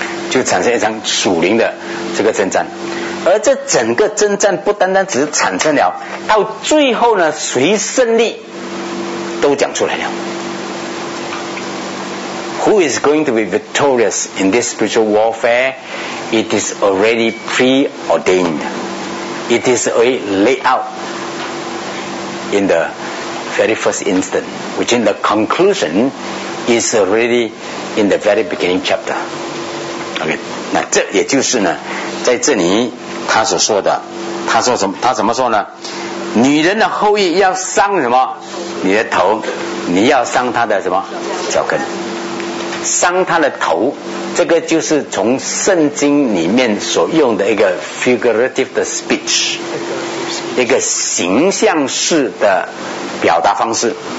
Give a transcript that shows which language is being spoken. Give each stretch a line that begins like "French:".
Chinese: 就产生一场属灵的这个征战，而这整个征战不单单只是产生了，到最后呢，谁胜利都讲出来了。
English: Who is going to be victorious in this spiritual warfare? It is already preordained. It is already laid out in the very first instant, which in the conclusion is already in the very beginning chapter.
Chinese: Okay, 那这也就是呢，在这里他所说的，他说什么？他怎么说呢？女人的后裔要伤什么？你的头，你要伤她的什么？脚跟，伤她的头。这个就是从圣经里面所用的一个 figurative 的 speech， 一个形象式的表达方式。